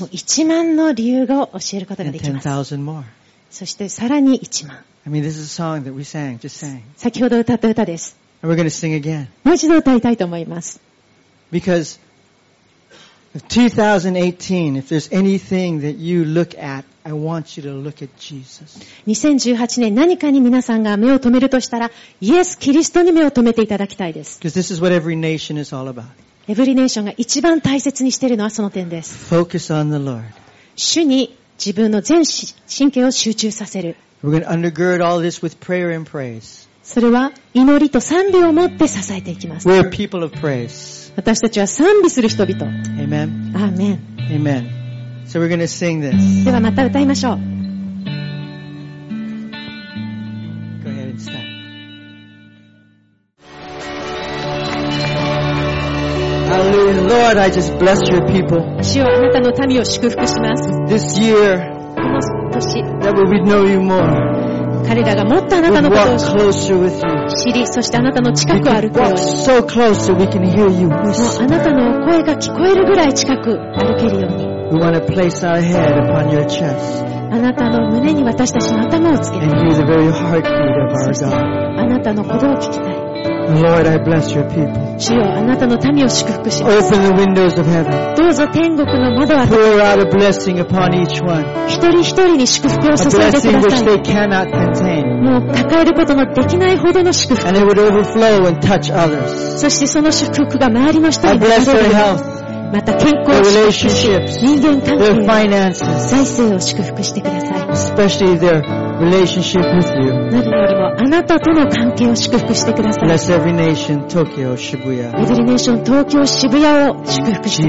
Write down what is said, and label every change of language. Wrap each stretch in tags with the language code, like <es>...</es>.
<ja>もう1万の理由を教えることができます。</ja> <en>And 10,000 more.</en> <ja>そしてさらに1万。</ja> <en>I mean, this is a song that we sang, just sang.</en> <ja>先ほど歌った歌です。</ja> <en>And we're going to sing again.</en> <ja>もう一度歌いたいと思います。</ja> <en>Because of 2018, if there's anything that you look at, I want you to look at Jesus.</en> <ja>2018年何かに皆さんが目を留めるとしたら、イエス・キリストに目を留めていただきたいです。</ja> <en>Because this is what every nation is all about.</en> <ja>Every nation が一番大切にしているのはその点です。</ja> <en>Focus on the Lord.</en> <ja>主に自分の全神経を集中させる。</ja> <en>We're going to undergird all this with prayer and praise.</en> <ja>それは祈りと賛美を持って支えていきます。</ja> <en>We're people of praise.</en> <ja>私たちは賛美する人々。</ja> <en>Amen. Amen. Amen. So we're going to sing this.</en> <ja>ではまた歌いましょう。</ja> <en>Go ahead and start. Hallelujah, Lord, I just bless your people.</en> <ja>主よ、あなたの民を祝福します。</ja> <en>This year, that we would know you more.</en> <ja>彼らがもっとあなたのことを知り、そしてあなたの近くを歩くように。</ja> <en>So、we can hear you.</en> <ja>もうあなたの声が聞こえるぐらい近く歩けるように。</ja> <en>We want to place our head upon your chest.</en> <ja>あなたの胸に私たちの頭をつけて。</ja> <en>And hear the very heartbeat of our God.</en> <ja>あなたの鼓動を聞きたい。</ja> <en>Lord, I bless your people.</en> <ja>主よ、あなたの民を祝福します。</ja> <en>Open the windows of heaven.</en> <ja>どうぞ天国の窓を開け</ja> <en>て。Pour out a blessing upon each one.</en> <ja>一人一人に祝福を注いでください。</ja> <en>A blessing which they cannot contain.</en> <ja>もう抱えることのできないほどの祝福。</ja> <en>And it would overflow and touch others.</en> <ja>そしてその祝福が周りの人に</ja> <en>流れる。I bless their health.</en> <ja>また健康を祝福し、人間関係、</ja> <en>their finances.</en> <ja>財政を祝福してください。</ja> <en>Especially their relationship with you.</en> <ja>何よりもあなたとの関係を祝福してください。</ja> <en>Bless every nation, Tokyo, Shibuya.</en> <ja>Every nation, Tokyo, Shibuya を祝福して</ja>